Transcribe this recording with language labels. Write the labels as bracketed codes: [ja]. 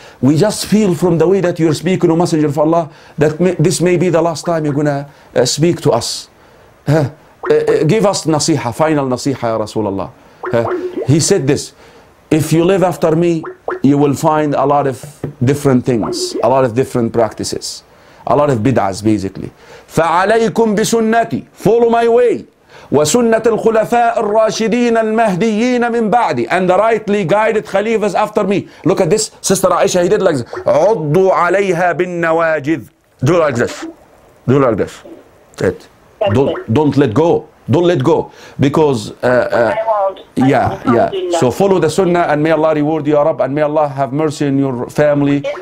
[en] We just feel from the way that you're speaking, oh messenger of Allah, that this may be the last time you're gonna speak to us. Give us [ar] نصيحة, final نصيحة يا رسول الله. [en] He said this, if you live after me, you will find a lot of different things, a lot of different practices, a lot of bid'ahs basically. [ar] فعليكم بسنتي, [en] follow my way. [ar] وسنة الخلفاء الراشدين المهديين من بعدي [en] and the rightly guided خليفه after me. Look at this sister Aisha, he did like this. [ar] عضوا عليها بالنواجذ. [en] Do like this. Do like this. Don't let go. Don't let go. Because so follow the sunnah and may Allah reward you, ya Rab, and may Allah have mercy on your family.